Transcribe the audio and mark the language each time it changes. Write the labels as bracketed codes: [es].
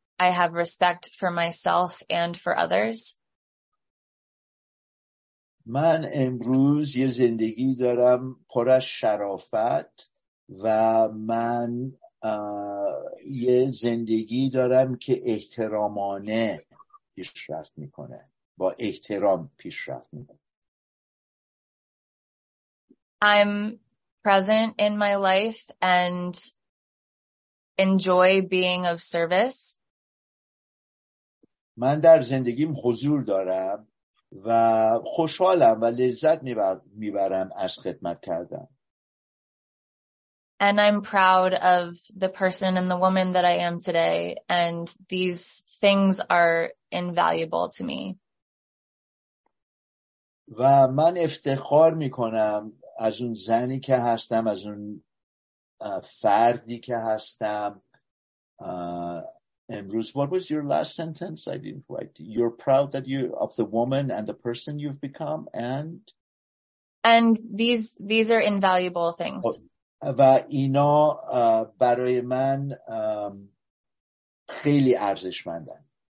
[en] I have respect for myself and for others. [fa] من امروز یه زندگی دارم پر از شرافت و من یه زندگی دارم که احترامانه پیشرفت میکنه، با احترام پیشرفت میکنه. [en] I'm present in my life and enjoy being of service. [fa] من در زندگیم حضور دارم و خوشحالم و لذت میبرم از خدمت کردن. [en] And I'm proud of the person and the woman that I am today. And these things are invaluable to me. [fa] و من افتخار میکنم از اون زنی که هستم، از اون فردی که هستم. امروز [en] what was your last sentence? I didn't write. You're proud that you of the woman and the person you've become and these are invaluable things. [fa] و اینا برای من خیلی ارزشمندن.